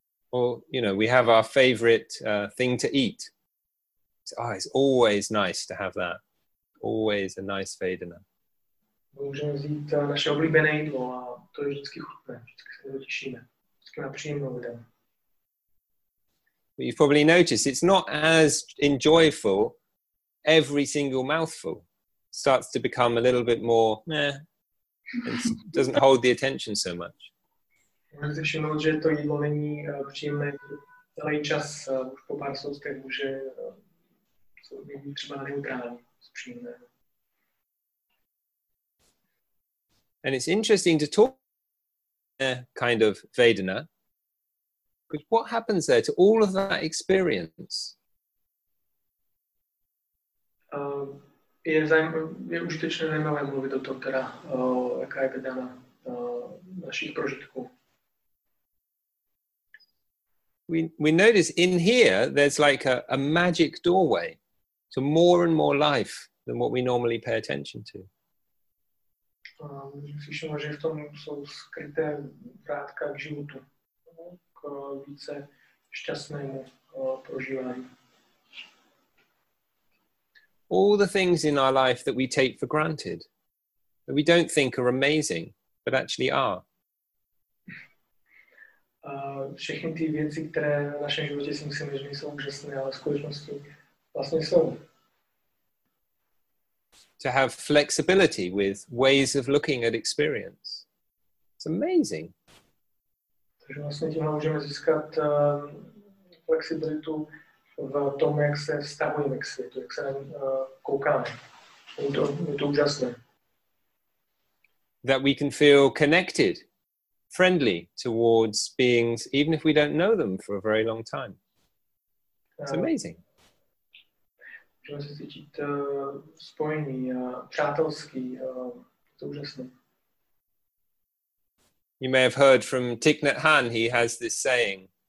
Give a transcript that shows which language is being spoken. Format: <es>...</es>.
<en>Or, you know, we have our favorite thing to eat. So, it's always nice to have that. Always a nice Vedana.</en> <cs>Můžeme vzít naše oblíbené jídlo a to je vždycky chutné, vždycky se to těšíme. Vždycky na příjemnou Vedanu.</cs> <en>You've probably noticed it's not as enjoyful every single mouthful. It starts to become a little bit more it doesn't hold the attention so much.</en> <cs>Můžeme si všimnout, že to jídlo není příjemné celý čas, už po pár soustech může být třeba neutrální.</cs> <en>And it's interesting to talk a kind of Vedana, because what happens there to all of that experience?</en> <cs>Je užitečné zajímavé mluvit o tom, teda, jaká je Vedana našich prožitků.</cs> <en>We notice in here there's like a magic doorway to more and more life than what we normally pay attention to.</en> <cs>Slyšíme, že v tom jsou skryté vrátka k životu, k více šťastnému prožívání.</cs> <en>All the things in our life that we take for granted, that we don't think are amazing, but actually are.</en> <cs>Všechny ty věci, které v našem životě si myslíme, že jsou úžasné, ale v skutečnosti vlastně jsou.</cs> <en>To have flexibility with ways of looking at experience. It's amazing.</en> <cs>Takže vlastně tím můžeme získat flexibilitu v tom, jak se vztahujeme k světu, jak se koukáme. Je to úžasné.</cs> <en>That we can feel connected, friendly towards beings, even if we don't know them for a very long time. It's amazing.</en> <cs>Můžeme se cítit spojený, přátelský, to je úžasné.</cs> <en>You may have heard from Thich Nhat Hanh, he has this saying.</en>